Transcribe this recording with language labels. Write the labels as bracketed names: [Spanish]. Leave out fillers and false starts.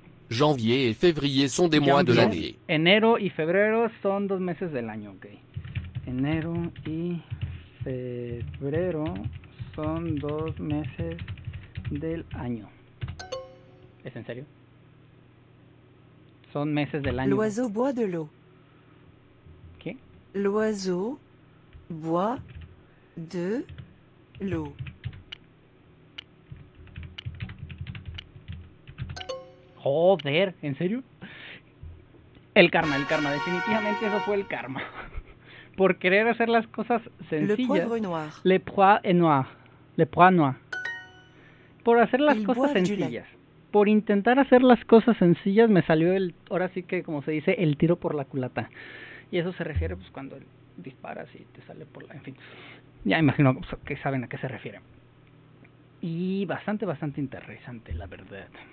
[French] Janvier y février son des mois de l'année. [Spanish] Enero y febrero son 2 meses del año, ok. Enero y febrero son 2 meses del año. ¿Es en serio? Son meses del año. [French] L'oiseau boit de l'eau. [Spanish] ¿Qué? [French] L'oiseau boit de l'eau. [Spanish] Joder, ¿en serio? El karma. Definitivamente eso fue el karma. Por querer hacer las cosas sencillas. [French] Le poivre noir. Le poivre noir. Le poivre noir. [Spanish] Por hacer las [French] Il [Spanish] cosas sencillas. Por intentar hacer las cosas sencillas me salió el tiro por la culata. Y eso se refiere pues cuando disparas y te sale por la... En fin, ya imagino que saben a qué se refiere. Y bastante, bastante interesante, la verdad.